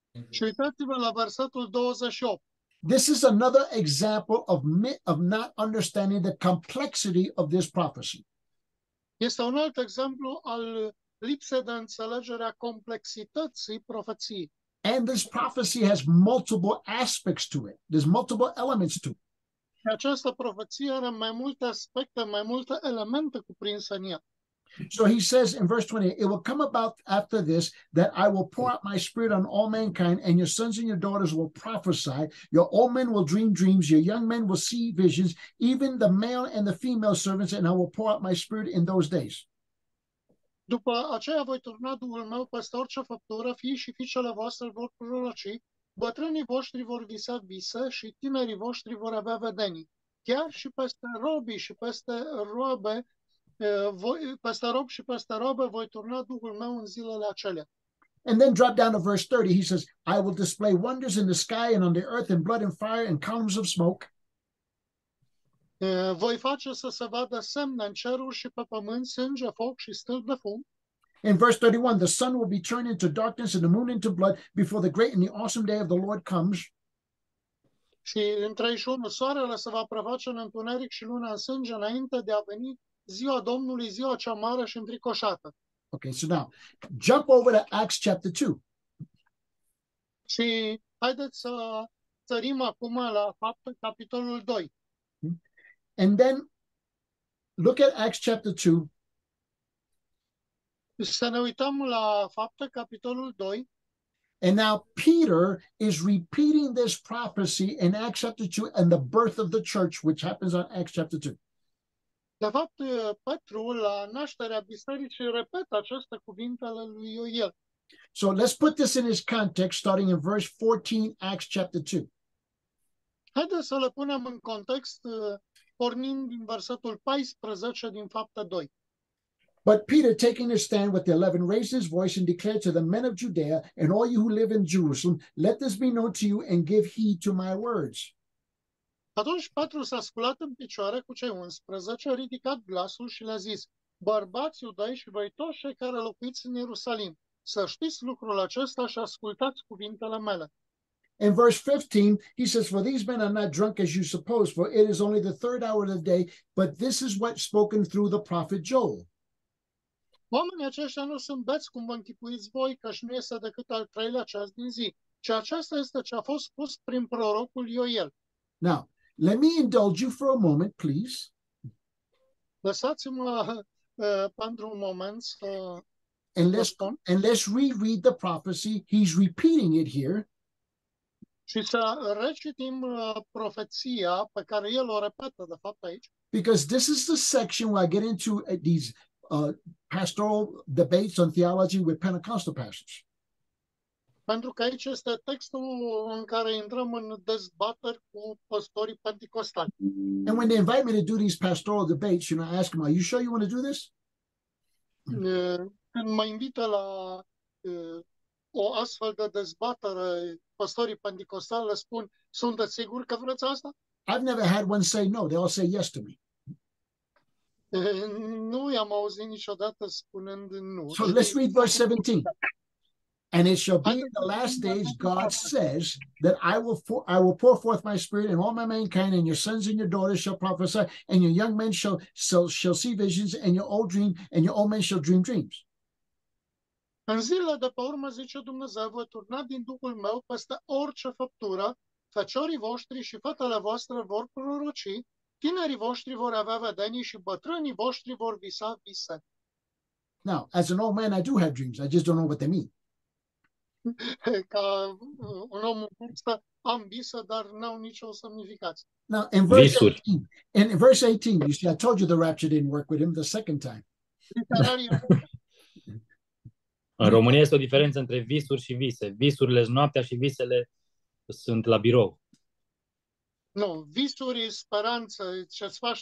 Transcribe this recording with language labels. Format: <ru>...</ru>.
<ro>Și uitați-vă la versetul 28.</ro> <en>This is another example of not understanding the complexity of this prophecy.</en> <ro>Este un alt exemplu al lipsei de înțelegere a complexității profeției.</ro> <en>And this prophecy has multiple aspects to it. There's multiple elements to it.</en> <ro>Această profeție are mai multe aspecte, mai multe elemente cuprinse în ea.</ro> <en>So he says in verse 20, it will come about after this that I will pour out my spirit on all mankind and your sons and your daughters will prophesy. Your old men will dream dreams. Your young men will see visions, even the male and the female servants, and I will pour out my spirit in those days.</en> <ro>După aceea voi turna Duhul meu peste orice făptură, fiii și fiicele voastre vor proroci, bătrânii voștri vor visa vise și tinerii voștri vor avea vedenii. Chiar și peste robii și peste roabe, peste rob și peste robe voi turna Duhul meu în zilele acelea.</ro> <en>And then drop down to verse 30, he says, I will display wonders in the sky and on the earth in blood and fire and columns of smoke.</en> <ro>Voi face să se vadă semne în ceruri și pe pământ, sânge, foc și stâlp de fum.</ro> <en>In verse 31, the sun will be turned into darkness and the moon into blood before the great and the awesome day of the Lord comes.</en> <ro>Și în 31, soarele se va preface în întuneric și luna în sânge înainte de a veni ziua Domnului, ziua cea mare și înfricoșată.</ro> <en>Okay, so now, jump over to Acts chapter 2.</en> <ro>Și haideți să sărim acum la fapte capitolul 2.</ro> <en>And then look at Acts chapter 2.</en> <ro>Să ne uităm la Fapte, capitolul 2.</ro> <en>And now Peter is repeating this prophecy in Acts chapter 2 and the birth of the church, which happens on Acts chapter 2.</en> <ro>De fapt, Petru, la nașterea bisericii, repetă aceste cuvinte ale lui Ioel.</ro> <en>So let's put this in its context, starting in verse 14, Acts chapter 2.</en> <ro>Haideți să le punem în context, pornind din versetul 14 din Fapte 2.</ro> <en>But Peter, taking his stand with the 11, raised his voice and declared to the men of Judea and all you who live in Jerusalem, let this be known to you and give heed to my words.</en> <ro>Atunci Petru s-a sculat în picioare cu cei 11, a ridicat glasul și le-a zis: Bărbați iudei și voi toți cei care locuiți în Ierusalim, să știți lucrul acesta și ascultați cuvintele mele.</ro> <en>In verse 15, he says, For these men are not drunk as you suppose, for it is only the third hour of the day, but this is what's spoken through the prophet Joel.</en> <ro>Oamenii aceștia nu sunt beți cum vă închipuiți voi, căci nu este decât al treilea ceas din zi, ci aceasta este ce a fost spus prin prorocul Ioel.</ro> <en>Now, let me indulge you for a moment, please.</en> <ro>Lăsați-mă pentru un moment să</ro> <en>And</en> <ro>vă spun.</ro> <en>let's reread the prophecy. He's repeating it here.</en> <ro>Și să recitim profeția pe care el o repetă, de fapt, aici.</ro> <en>Because this is the section where I get into these pastoral debates on theology with Pentecostal pastors.</en> <ro>Pentru că aici este textul în care intrăm în dezbateri cu păstorii penticostali.</ro> <en>And when they invite me to do these pastoral debates, you know, I ask them, are you sure you want to do this?</en> <ro>Când mă invită la o astfel de dezbatere, păstorii penticostali le spun, sunteți siguri că vreți asta?</ro> <en>I've never had one say no. They all say yes to me.</en> <ro>Nu i-am auzit niciodată spunând nu.</ro> <en>So let's read verse 17. And it shall be in the last days, God says, that I will pour forth my spirit in all my mankind, and your sons and your daughters shall prophesy, and your young men shall see visions, and your old dream, and your old men shall dream dreams. În zilele de pe urmă, zice Dumnezeu, voi turna din Duhul meu peste orice făptură, feciorii voștri și fetele voastre vor proroci, tinerii voștri vor avea vedenii și bătrânii voștri vor visa vise. Now, as an old man, I do have dreams. I just don't know what they mean. Ca un om în vârstă, am vise, dar n-au nicio semnificație. Now, in verse 18, in verse 18, you see, I told you the rapture didn't work with him the second time.</en> <ro>În România este o diferență între visuri și vise. Visurile sunt noaptea și visele sunt la birou. Nu, visuri e speranță, ce-ți faci</ro>